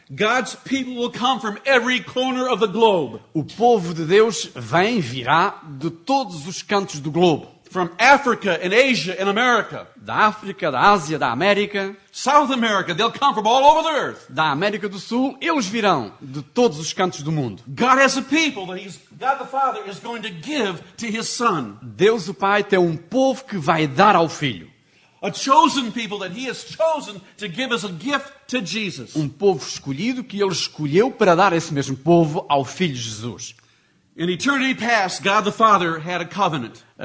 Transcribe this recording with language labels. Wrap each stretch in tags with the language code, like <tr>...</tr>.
<en>God's people will come from every corner of the globe.</en> <pt>O povo de Deus vem e virá de todos os cantos do globo.</pt> <en>From Africa and Asia and America.</en> <pt>Da África, da Ásia, da América.</pt> <en>South America, they'll come from all over the earth.</en> <pt>Da América do Sul, eles virão de todos os cantos do mundo.</pt> <en>God has a people that God the Father is going to give to his son.</en> <pt>Deus o Pai tem um povo que vai dar ao filho.</pt> <en>A chosen people that he has chosen to give as a gift to Jesus.</en> <pt>Um povo escolhido que ele escolheu para dar esse mesmo povo ao filho Jesus.</pt> <en>In eternity past, God the Father had a covenant.</en>